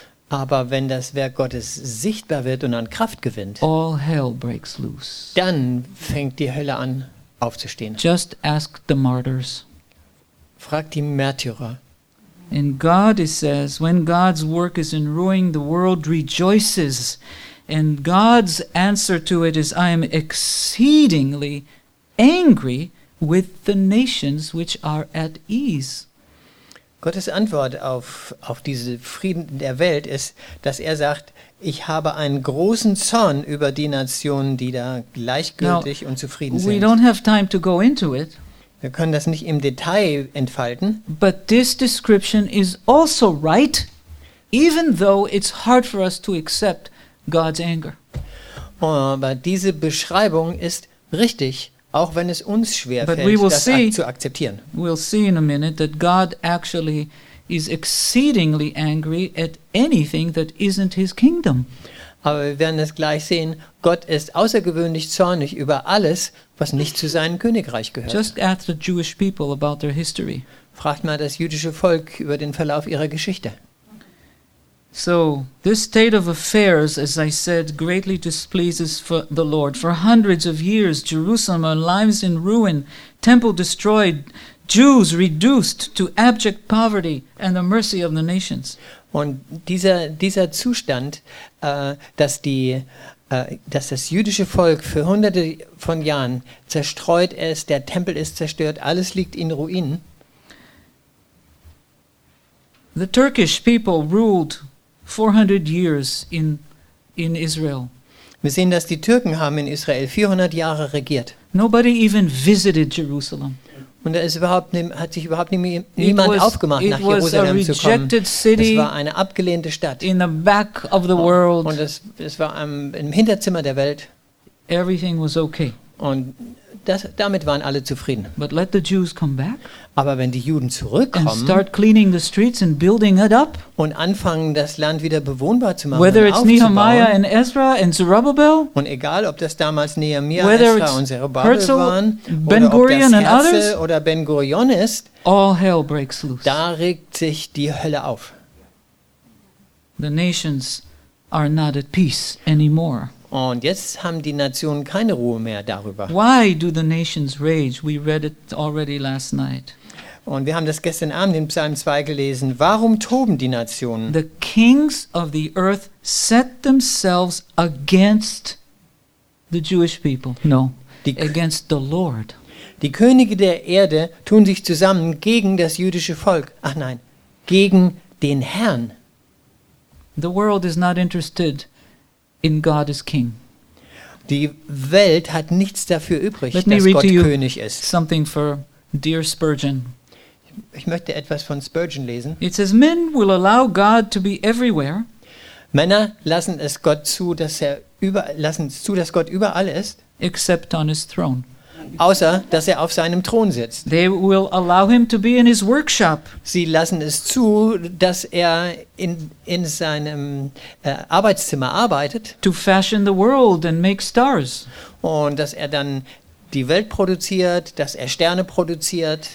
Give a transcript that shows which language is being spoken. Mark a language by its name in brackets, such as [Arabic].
[German] aber wenn das Werk Gottes sichtbar wird und an Kraft gewinnt, [English] all hell breaks loose. [German] Dann fängt die Hölle an aufzustehen. [English] Just ask the martyrs. [German] Frag die Märtyrer. [English] In God, it says, when God's work is in ruin, the world rejoices. And God's answer to it is, I am exceedingly angry with the nations which are at ease. [German] Gottes Antwort auf diese Frieden der Welt ist, dass er sagt, ich habe einen großen Zorn über die Nationen, die da gleichgültig und zufrieden sind. [English] We don't have time to go into it. [German] Wir können das nicht im Detail entfalten. [English] But this description is also right, even though it's hard for us to accept God's anger. [German] Aber diese Beschreibung ist richtig, auch wenn es uns schwer fällt, das zu akzeptieren. [English] We'll see in a minute that God actually is exceedingly angry at anything that isn't his kingdom. [German] Aber wir werden es gleich sehen, Gott ist außergewöhnlich zornig über alles, was nicht zu seinem Königreich gehört. [English] Just ask the Jewish people about their history. [German] Fragt mal das jüdische Volk über den Verlauf ihrer Geschichte. [English] So, this state of affairs, as I said, greatly displeases the Lord. For hundreds of years, Jerusalem lies in ruin, temple destroyed, Jews reduced to abject poverty and the mercy of the nations. [German] Und dieser Zustand, dass das jüdische Volk für hunderte von Jahren zerstreut ist, der Tempel ist zerstört, alles liegt in Ruinen. [English] The Turkish people ruled 400 years in Israel. [German] Wir sehen, dass die Türken haben in Israel 400 Jahre regiert. [English] Nobody even visited Jerusalem. [German] Und hat sich überhaupt niemand aufgemacht, nach Jerusalem zu kommen. [English] City, [German] es war eine abgelehnte Stadt. [English] In the back of the world. [German] Und es war im Hinterzimmer der Welt. [English] Everything was okay. [German] Und damit waren alle zufrieden. [English] But let the Jews come back. [German] Aber wenn die Juden zurückkommen [English] and start cleaning the streets and building it up, [German] und anfangen, das Land wieder bewohnbar zu machen, [English] whether it's [German] aufzubauen, [English] Nehemiah and Ezra and Zerubbabel, [German] und egal, ob das damals Nehemiah, Ezra und Zerubbabel [English] Herzl, [German] waren, [English] Ben-Gurion [German] oder ob das Herzl oder Ben-Gurion ist, [English] all hell breaks loose. [German] Da regt sich die Hölle auf. [English] The nations are not at peace anymore. [German] Und jetzt haben die Nationen keine Ruhe mehr darüber. [English] Why do the nations rage? We read it already last night. [German] Und wir haben das gestern Abend in Psalm 2 gelesen. Warum toben die Nationen? [English] The kings of the earth set themselves against the Jewish people. No, against the Lord. [German] Die Könige der Erde tun sich zusammen gegen das jüdische Volk. Ach nein, gegen den Herrn. [English] The world is not interested in God is king. [German] Die Welt hat nichts dafür übrig, dass Gott König ist. [English] Something for dear Spurgeon. [German] Ich möchte etwas von Spurgeon lesen. [English] It says, men will allow God to be everywhere. [German] Männer lassen es Gott zu, dass Gott überall ist. [English] Except on his throne. [German] Außer dass er auf seinem Thron sitzt. [English] They will allow him to be in his workshop. [German] Sie lassen es zu, dass er in seinem Arbeitszimmer arbeitet. [English] To fashion the world and make stars. [German] Und dass er dann die Welt produziert, dass er Sterne produziert.